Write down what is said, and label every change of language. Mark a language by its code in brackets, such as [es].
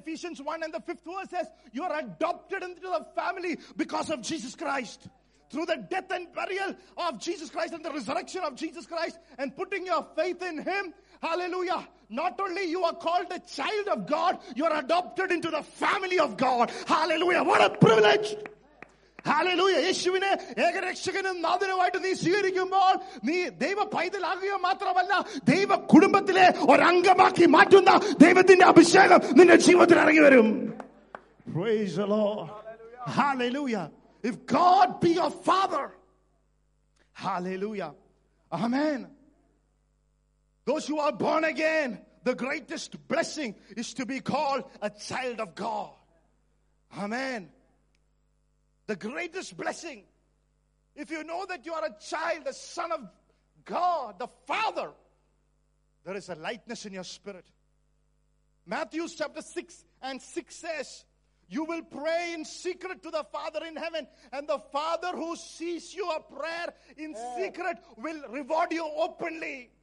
[en] Ephesians 1 and the 5th verse says, you are adopted into the family because of Jesus Christ. Through the death and burial of Jesus Christ and the resurrection of Jesus Christ and putting your faith in Him, hallelujah, not only you are called a child of God, you are adopted into the family of God. Hallelujah, what a privilege! [ml] Hallelujah, യേശുവിനെ ഏകരക്ഷകനും നാഥനുമായിട്ട് നീ സ്വീകരിക്കുമ്പോൾ നീ ദൈവ പൈതലാകുക മാത്രമല്ല ദൈവ കുടുംബത്തിലെ ഒരംഗമാക്കി മാറ്റുന്ന ദൈവത്തിന്റെ അഭിഷേകം നിന്റെ ജീവിതത്തിൽ ഇറങ്ങി വരും. [en] Praise the Lord. Hallelujah. If God be your Father. Hallelujah. Amen. Those who are born again, the greatest blessing is to be called a child of God. Amen. The greatest blessing, if you know that you are a child, a son of God, the Father, there is a lightness in your spirit. Matthew chapter 6 and 6 says, you will pray in secret to the Father in heaven, and the Father who sees your prayer in secret will reward you openly.